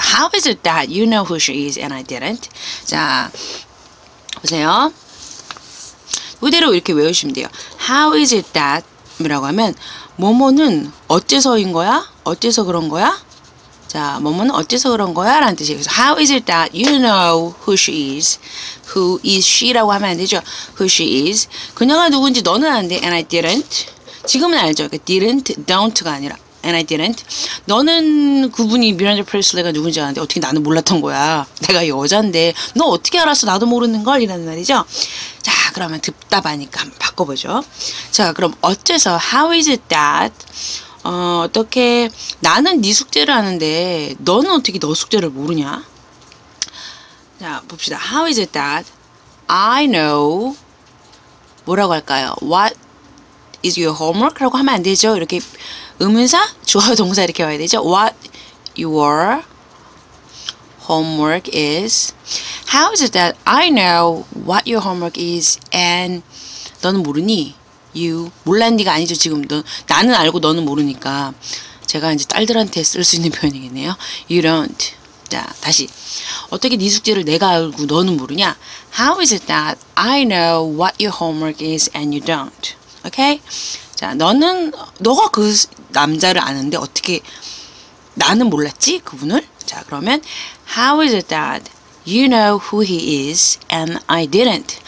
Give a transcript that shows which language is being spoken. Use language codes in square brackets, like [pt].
[en] How is it that you know who she is and I didn't? 자, how is it that you know who she is and I didn't? [ko] 자 보세요. 그대로 이렇게 외우시면 돼요. [en] How is it that? [ko] 이라고 하면 뭐뭐는 어째서인 거야? 어째서 그런 거야? 자, 뭐뭐는 어째서 그런 거야? 라는 뜻이에요. 그래서 [en] How is it that you know who she is? Who is she? [ko] 라고 하면 안 되죠. [en] Who she is? [ko] 그녀가 누군지 너는 아는데 [en] And I didn't? [ko] 지금은 알죠. 그러니까 didn't, don't가 아니라 [en] And I didn't? [ko] 너는 그분이 Miranda Priestly가 누군지 아는데 어떻게 나는 몰랐던 거야? 내가 여잔데 너 어떻게 알았어? 나도 모르는 걸? 이라는 말이죠. 자, 그러면 듭답하니까 한번 바꿔보죠. 자, 그럼 어째서 [en] How is it that? [ko] 어떻게 나는 네 숙제를 하는데 너는 어떻게 너 숙제를 모르냐? 자, 봅시다. [en] How is it that? I know [ko] 뭐라고 할까요? [en] What is your homework? [ko] 라고 하면 안 되죠. 이렇게 의문사, 주어, 동사 이렇게 와야 되죠. [en] What your homework is. How is it that I know what your homework is and [ko] 너는 모르니? You, 몰랐니가 아니죠. 지금 너, 나는 알고 너는 모르니까. 제가 이제 딸들한테 쓸 수 있는 표현이겠네요. [en] You don't. [ko] 자, 다시. 어떻게 네 숙제를 내가 알고 너는 모르냐? [en] How is it that I know what your homework is and you don't? Okay? [ko] 자, 너는, 너가 그 남자를 아는데 어떻게 나는 몰랐지? 그분을? 자, 그러면 [en] How is it that you know who he is and I didn't?